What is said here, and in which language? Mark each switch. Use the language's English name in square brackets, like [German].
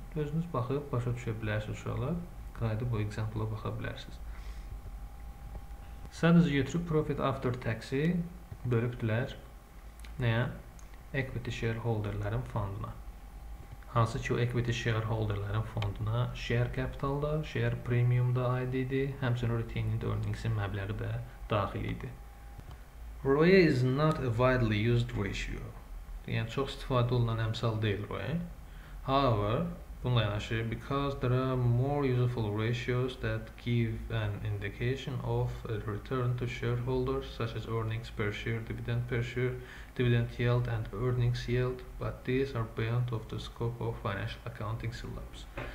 [Azerbaijani] Gözünüz bakıp başa düşebilirsiniz uşaqlar. Qayda bu example'a bakabilirsiniz. Sadece götürüp profit after tax'i bölüptüler. Neye? Equity shareholder'ların fonduna. Hansı ki o equity shareholder'ların fonduna share capital'da, share premium'da aid idi. Həmçinin retained earnings'in məbləği də daxil idi. [English] ROE is not a widely used ratio. [Azerbaijani] Yəni çox istifadə olunan əmsal deyil ROE. [English] However, [Azerbaijani] bununla yanaşı, [English] because there are more useful ratios that give an indication of a return to shareholders, such as earnings per share, dividend per share, dividend yield and earnings yield, but these are beyond of the scope of financial accounting syllabus.